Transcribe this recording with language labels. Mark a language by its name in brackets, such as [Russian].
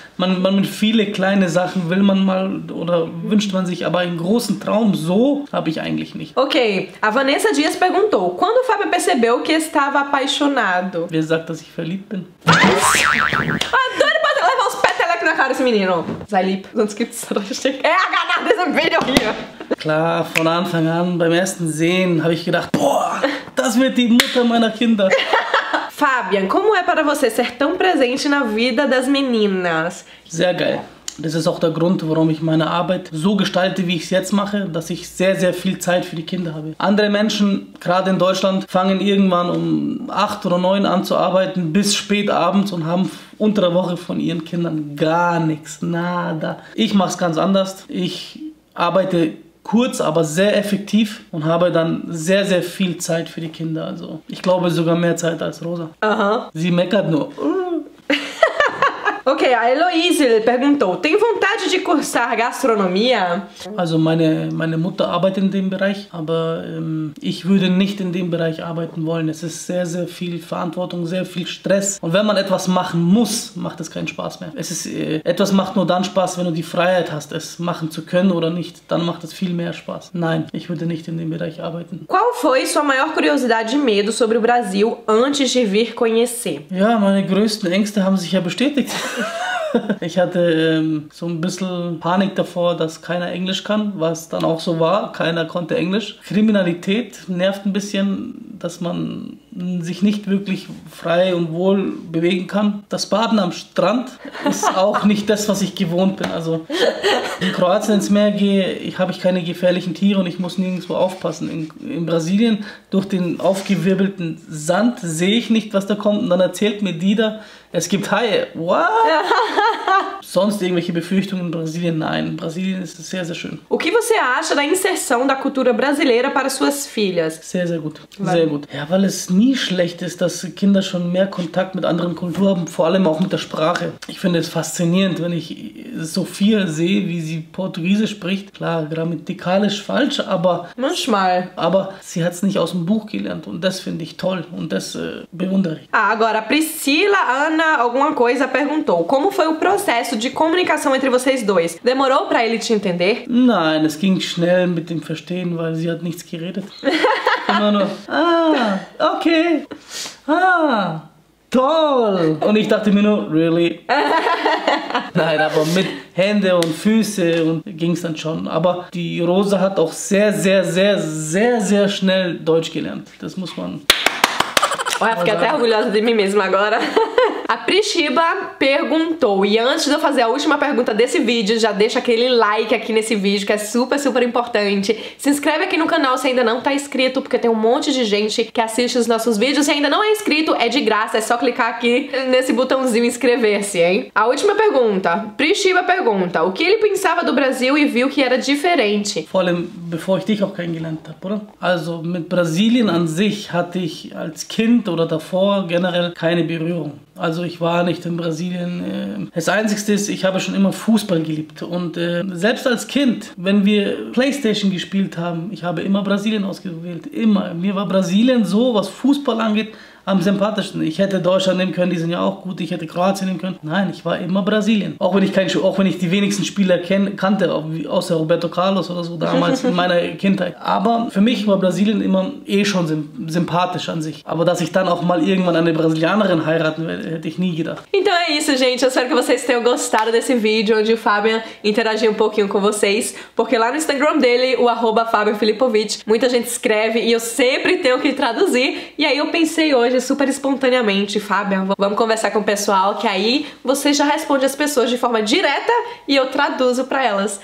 [German] Man mit viele kleine Sachen will man mal oder wünscht man sich, aber einen großen Traum so habe ich eigentlich nicht. [Portuguese] Okay, a Vanessa Dias perguntou: Quando o Fábio percebeu que estava apaixonado? [German] Wer sagt, dass ich verliebt bin? [Portuguese] Was? Adore, pode levar uns peteleco na cara esse menino. [German] Sei lieb, sonst gibt's richtig Ärger nach diesem Video hier. Klar, von Anfang an, beim ersten Sehen, habe ich gedacht: Boah, das wird die Mutter meiner Kinder. [Portuguese] Fabian, como é para você ser tão presente na vida das meninas? [German] Sehr geil. Das ist auch der Grund, warum ich meine Arbeit so gestalte, wie ich es jetzt mache, dass ich sehr, sehr viel Zeit für die Kinder habe. Andere Menschen, gerade in Deutschland, fangen irgendwann um 8 oder 9 an zu arbeiten bis spät abends und haben unter der Woche von ihren Kindern gar nichts. [Portuguese] Nada. [German] Ich mache es ganz anders. Ich arbeite kurz, aber sehr effektiv und habe dann sehr, sehr viel Zeit für die Kinder. Also ich glaube sogar mehr Zeit als Rosa. Aha. Sie meckert nur. [Portuguese] Okay, a Eloísil perguntou: Tem vontade de cursar gastronomia? [German] Also meine Mutter arbeitet in dem Bereich, aber ich würde nicht in dem Bereich arbeiten wollen. Es ist sehr, sehr viel Verantwortung, sehr viel Stress. Und wenn man etwas machen muss, macht es keinen Spaß mehr. Es ist, etwas macht nur dann Spaß, wenn du die Freiheit hast, es machen zu können oder nicht. Dann macht es viel mehr Spaß. Nein, ich würde nicht in dem Bereich arbeiten. [Portuguese] Qual foi sua maior curiosidade e medo sobre o Brasil antes de vir conhecer? [German] Ja, meine größten Ängste haben sich ja bestätigt. Ich hatte so ein bisschen Panik davor, dass keiner Englisch kann, was dann auch so war. Keiner konnte Englisch. Kriminalität nervt ein bisschen, dass man sich nicht wirklich frei und wohl bewegen kann. Das Baden am Strand ist auch nicht das, was ich gewohnt bin. Also in Kroatien ins Meer gehe, habe ich keine gefährlichen Tiere und ich muss nirgendwo aufpassen. In Brasilien durch den aufgewirbelten Sand sehe ich nicht, was da kommt. Und dann erzählt mir Dida, es gibt Haie. [English] What? [German] Sonst irgendwelche Befürchtungen in Brasilien? Nein, in Brasilien ist es sehr, sehr schön. [Portuguese] O que você acha da inserção da cultura brasileira para suas filhas? [German] Sehr, sehr gut. Sehr gut. Ja, weil es nie schlecht ist, dass Kinder schon mehr Kontakt mit anderen Kulturen haben, vor allem auch mit der Sprache. Ich finde es faszinierend, wenn ich Sophia sehe, wie sie Portugiesisch spricht. Klar, grammatikalisch falsch, aber... Manchmal. Aber sie hat es nicht aus dem Buch gelernt und das finde ich toll und das bewundere ich. [Portuguese] Ah, agora, Priscila, Ana, alguma coisa perguntou. Como foi o processo de comunicação entre vocês dois? Demorou para ele te entender? [German] Nein, es ging schnell mit dem Verstehen, weil sie hat nichts geredet. Immer nur, ah, okay, ah, toll. Und ich dachte mir nur, [English] really? [German] Nein, aber mit Hände und Füße und ging es dann schon. Aber die Rosa hat auch sehr, sehr, sehr, sehr, sehr schnell Deutsch gelernt. Das muss man... [Portuguese] Olha, fiquei até orgulhosa de mim mesma agora. A Prishiba perguntou, e antes de eu fazer a última pergunta desse vídeo, já deixa aquele like aqui nesse vídeo, que é super, super importante. Se inscreve aqui no canal se ainda não tá inscrito, porque tem um monte de gente que assiste os nossos vídeos. Se ainda não é inscrito, é de graça, é só clicar aqui nesse botãozinho inscrever-se, hein? A última pergunta. Prishiba pergunta, o que ele pensava do Brasil e viu que era diferente? [German] Vor allem, bevor ich dich auch kennengelernt habe, oder? Also, mit Brasilien an sich hatte ich als Kind oder davor generell keine Berührung. Also ich war nicht in Brasilien. Das Einzige ist, ich habe schon immer Fußball geliebt. Und selbst als Kind, wenn wir PlayStation gespielt haben, ich habe immer Brasilien ausgewählt. Immer. Mir war Brasilien so, was Fußball angeht, am sympathischsten. Ich hätte Deutschland nehmen können, die sind ja auch gut. Ich hätte Kroatien nehmen können. Nein, ich war immer Brasilien. Auch wenn ich die wenigsten Spieler kannte, außer Roberto Carlos oder so damals in meiner Kindheit. Aber für mich war Brasilien immer eh schon sympathisch an sich. Aber dass ich dann auch mal irgendwann eine Brasilianerin heiraten werde, hätte ich nie gedacht. [Portuguese] Então é isso, gente. Eu espero que vocês tenham gostado desse vídeo onde o Fabian interagiu um pouquinho com vocês. Porque lá no Instagram dele, o arroba Fabian Filipovic, muita gente escreve e eu sempre tenho que traduzir. E aí eu pensei hoje, super espontaneamente, Fábio, vamos conversar com o pessoal, que aí você já responde as pessoas de forma direta e eu traduzo pra elas.